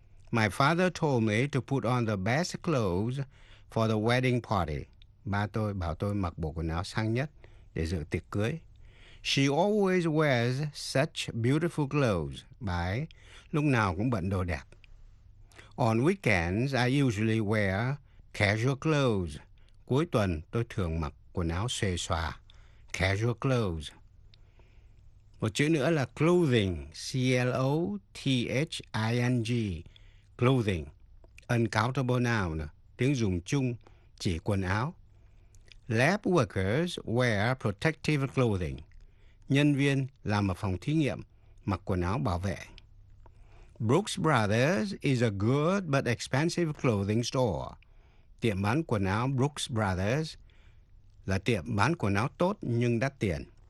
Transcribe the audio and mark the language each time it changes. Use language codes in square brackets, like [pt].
[en] My father told me to put on the best clothes for the wedding party. [vi] Ba tôi bảo tôi mặc bộ quần áo sang nhất để dự tiệc cưới. [en] She always wears such beautiful clothes. [vi] Bà ấy lúc nào cũng bận đồ đẹp. [en] On weekends, I usually wear casual clothes. [vi] Cuối tuần, tôi thường mặc quần áo xuề xòa. [en] Casual clothes. [vi] Một chữ nữa là clothing. [en] C-L-O-T-H-I-N-G. Clothing. Uncountable noun. [vi] Tiếng dùng chung chỉ quần áo. [en] Lab workers wear protective clothing. [vi] Nhân viên làm ở phòng thí nghiệm mặc quần áo bảo vệ. [en] Brooks Brothers is a good but expensive clothing store. [vi] Tiệm bán quần áo Brooks Brothers là tiệm bán quần áo tốt nhưng đắt tiền.